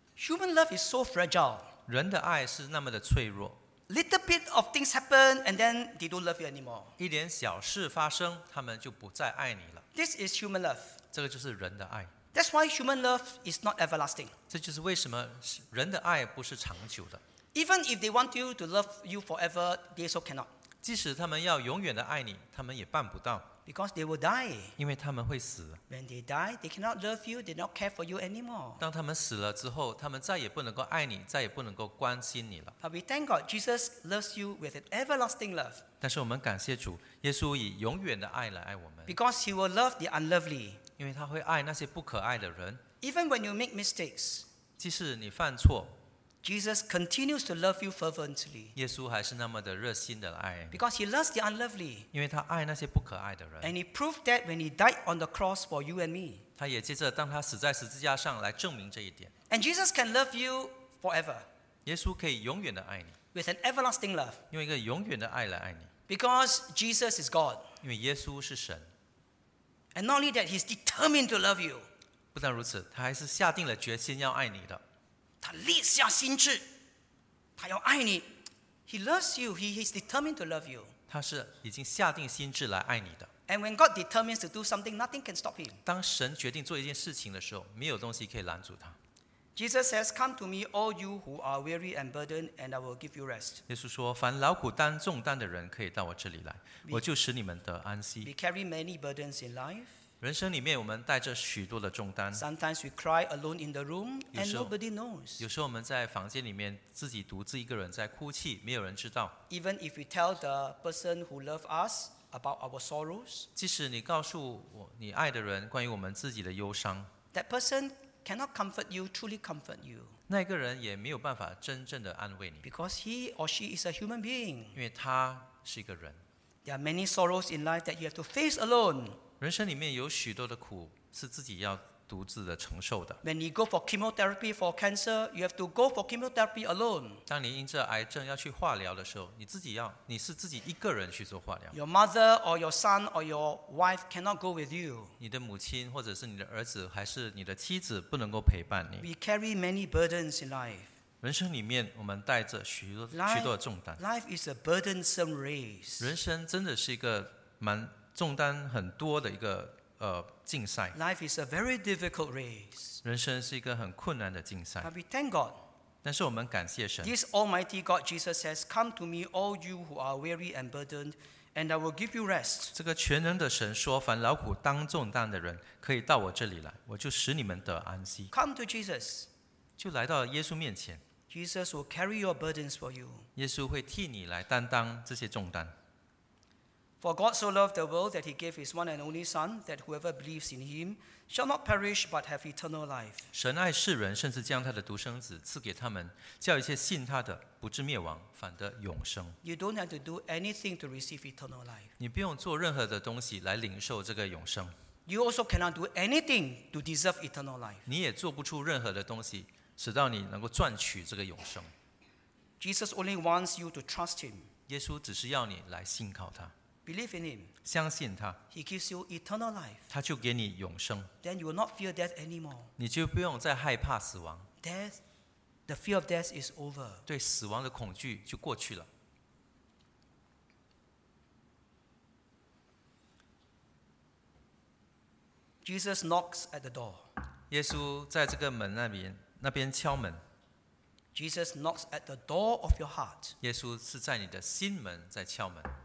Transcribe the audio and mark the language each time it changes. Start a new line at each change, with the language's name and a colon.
English: Human love is so fragile.
Chinese: 人的爱是那么的脆弱。
English: Little bit of things happen, and then they don't love you anymore.
Chinese: 一点小事发生，他们就不再爱你了。
English: This is human love.
Chinese: 这个就是人的爱。
English: That's why human love is not everlasting.
Chinese: 这就是为什么人的爱不是长久的。
English: Even if they want you to love you forever, they also cannot.
Chinese: 即使他们要永远的爱你，他们也办不到。
English: Because they will die.
Chinese: 因为他们会死。
English: When they die, they cannot love you, they don't care for you anymore.
Chinese: 当他们死了之后，他们再也不能够爱你，再也不能够关心你了。
English: But we thank God, Jesus loves you with an everlasting love.
Chinese: 但是我们感谢主，耶稣以永远的爱来爱我们。
English: Because he will love the unlovely.
Chinese: 因为他会爱那些不可爱的人。
English: Even when you make mistakes,
Chinese: 即使你犯错。
English: Jesus continues to love you fervently.
Chinese: 耶稣还是那么的热心的爱。
English: Because he loves the unlovely.
Chinese: 因为他爱那些不可爱的人。
English: And he proved that when he died on the cross for you and me.
Chinese: 他也借着当他死在十字架上来证明这一点。
English: And Jesus can love you forever.
Chinese: 耶稣可以永远的爱你。
English: With an everlasting love.
Chinese: 用一个永远的爱来爱你。
English: Because Jesus is God.
Chinese: 因为耶稣是神。
English: And not only that, he's determined to love you.
Chinese: 不但如此，他还是下定了决心要爱你的。他立下心志，他要爱你。
English: He loves you. He is determined to love you.
Chinese: 他是已经下定心志来爱你的。
English: And when God determines to do something, nothing can stop him.
Chinese: 当神决定做一件事情的时候，没有东西可以拦阻他。
English: Jesus says, "Come to me, all you who are weary and burdened, and I will give you rest."
Chinese: 耶稣说，凡劳苦担重担的人可以到我这里来，我就使你们得安息。
English: We carry many burdens in life.
Chinese: 人生里面我们带着许多的重担。
English: Sometimes we cry alone in the room and nobody knows.
Chinese: 有时候我们在房间里面自己独自一个人在哭泣，没有人知道。
English: Even if we tell the person who loves us about our sorrows,
Chinese: 即使你告诉我你爱的人关于我们自己的忧伤，
English: that person cannot comfort you, truly comfort you.
Chinese: 那个人也没有办法真正的安慰你。
English: Because he or she is a human being.
Chinese: 因为他是一个人。
English: There are many sorrows in life that you have to face alone.
Chinese: 人生里面有许多的苦是自己要独自的承受的。
English: When you go for chemotherapy for cancer, you have to go for chemotherapy alone.
Chinese: 当你因着癌症要去化疗的时候，你是自己一个人去做化疗。
English: Your mother or your son or your wife cannot go with you.
Chinese: 你的母亲或者是你的儿子还是你的妻子不能够陪伴你。
English: We carry many burdens in life.
Chinese: 人生里面我们带着许多的重担。
English: Life is a burdensome race.
Chinese: 人生真的是一个蛮。重担很多的一个竞赛。
English: Life is a very difficult race.
Chinese: 人生是一个很困难的竞赛。
English: But we thank God.
Chinese: 但是我们感谢神。
English: This Almighty God, Jesus says, "Come to me, all you who are weary and burdened, and I will give you rest."
Chinese: 这个全能的神说，凡劳苦担重担的人可以到我这里来，我就使你们得安息。
English: Come to Jesus.
Chinese: 就来到耶稣面前。
English: Jesus will carry your burdens for you.
Chinese: 耶稣会替你来担当这些重担。
English: For God so loved the world that he gave his one and only Son, that whoever believes in him shall not perish but have eternal life.
Chinese: 神爱世人，甚至将他的独生子赐给他们，叫一切信他的不至灭亡，反得永生。
English: You don't have to do anything to receive eternal life.
Chinese: 你不用做任何的东西来领受这个永生。
English: you also cannot do anything to deserve eternal life.
Chinese: 你也做不出任何的东西，使到你能够赚取这个永生。
English: Jesus only wants you to trust him.
Chinese: 耶稣只是要你来信靠他。
English: Believe in him.
Chinese: 相信他。
English: He gives you eternal life.
Chinese: 他就给你永生。
English: Then you will not fear death anymore.
Chinese: 你就不用再害怕死亡。
English: Death, the fear of death is over.
Chinese: 对死亡的恐惧就过去了。
English: Jesus knocks at the door.
Chinese: 耶稣在这个门那边敲门。
English: Jesus knocks at the door of your heart.
Chinese: 耶稣是在你的心门在敲门。